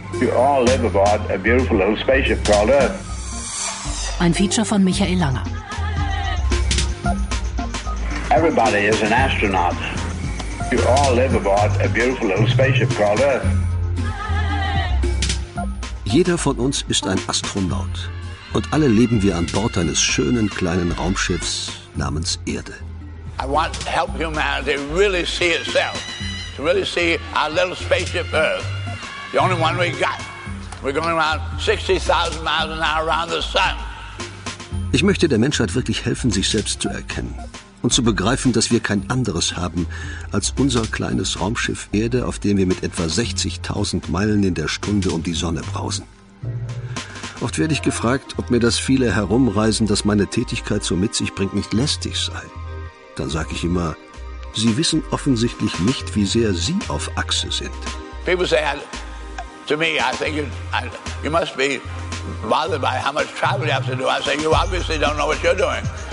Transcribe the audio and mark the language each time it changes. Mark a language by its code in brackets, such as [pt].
[en] You all live aboard a beautiful little spaceship called Earth. [de] Ein Feature von Michael Langer. [en] Everybody is an astronaut. You all live aboard a beautiful little spaceship called Earth. [de] Jeder von uns ist ein Astronaut. Und alle leben wir an Bord eines schönen kleinen Raumschiffs namens Erde. [en] I want to help humanity really see itself, to really see our little spaceship Earth, the only one we got. We're going around 60,000 miles an hour around the sun. [de] Ich möchte der Menschheit wirklich helfen, sich selbst zu erkennen und zu begreifen, dass wir kein anderes haben als unser kleines Raumschiff Erde, auf dem wir mit etwa 60.000 Meilen in der Stunde um die Sonne brausen. Oft werde ich gefragt, ob mir das viele Herumreisen, das meine Tätigkeit so mit sich bringt, nicht lästig sei. Dann sage ich immer, Sie wissen offensichtlich nicht, wie sehr Sie auf Achse sind. [en] People say to me, I think you must be bothered by how much travel you have to do. I say, you obviously don't know what you're doing.